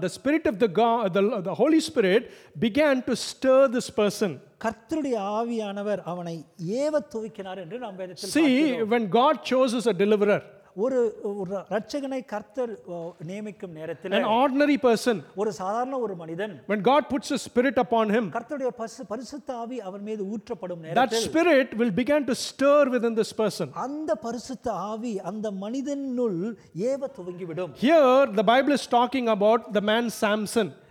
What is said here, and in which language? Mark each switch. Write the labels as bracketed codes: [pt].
[en] The spirit of the Holy Spirit began to stir this person. [ta] கர்த்தருடைய ஆவியானவர் அவனை ஏவத்துவக்கினார் என்று நாம் வேதத்தில் பார்க்கிறோம். [en] See, when God chooses a deliverer, [ta] ஒரு இரட்சகனை கர்த்தர் நியமிக்கும் நேரத்தில், [en] an ordinary person, [ta] ஒரு சாதாரண ஒரு மனிதன், [en] when God puts a spirit upon him, [ta] கர்த்தருடைய பரிசுத்த ஆவி அவர் மீது ஊற்றப்படும் நேரத்தில், [en] that spirit will begin to stir within this person. [ta] அந்த பரிசுத்த ஆவி அந்த மனிதனுள் ஏவ துவங்கி விடும். [en] Here the Bible is talking about the man Samson.